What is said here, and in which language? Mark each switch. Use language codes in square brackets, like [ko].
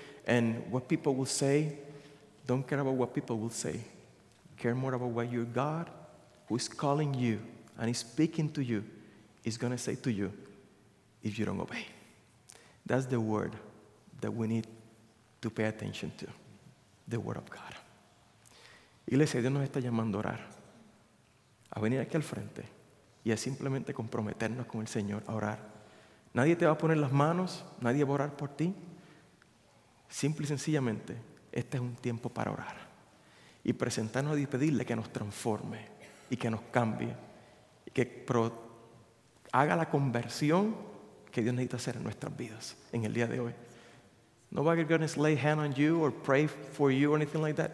[en] And what people will say, don't care about what people will say. Care more about what your God, who is calling you and is speaking to you, is going to say to you if you don't obey. That's the word that we need to pay attention to, the Word of God. [es] Iglesia, Dios nos está llamando a orar, a venir aquí al frente y a simplemente comprometernos con el Señor a orar. Nadie te va a poner las manos, nadie va a orar por ti. Simple y sencillamente, este es un tiempo para orar y presentarnos a Dios y pedirle que nos transforme y que nos cambie y que haga la conversión que Dios necesita hacer en nuestras vidas en el día de hoy. [en] Nobody is going to lay hand on you or pray for you or anything like that.